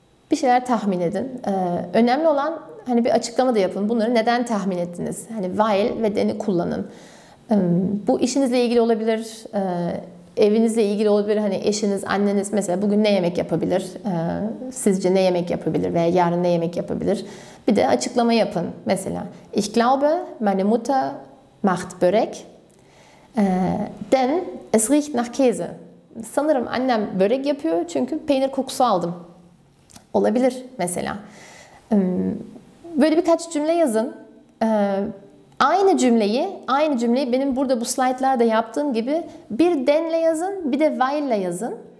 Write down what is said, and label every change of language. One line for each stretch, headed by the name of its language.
Turkish: Bir şeyler tahmin edin. Önemli olan hani bir açıklama da yapın. Bunları neden tahmin ettiniz? Hani while ve then'i kullanın. Bu işinizle ilgili olabilir. Evinizle ilgili olabilir. Hani eşiniz, anneniz mesela bugün ne yemek yapabilir? Sizce ne yemek yapabilir? Veya yarın ne yemek yapabilir? Bir de açıklama yapın.
German: Mesela ich glaube, meine Mutter macht börek. Denn es riecht nach Käse.
Turkish: Sanırım annem börek yapıyor çünkü peynir kokusu aldım. Olabilir mesela. Böyle birkaç cümle yazın. Aynı cümleyi benim burada bu slaytlarda yaptığım gibi bir denle yazın, bir de while ile yazın.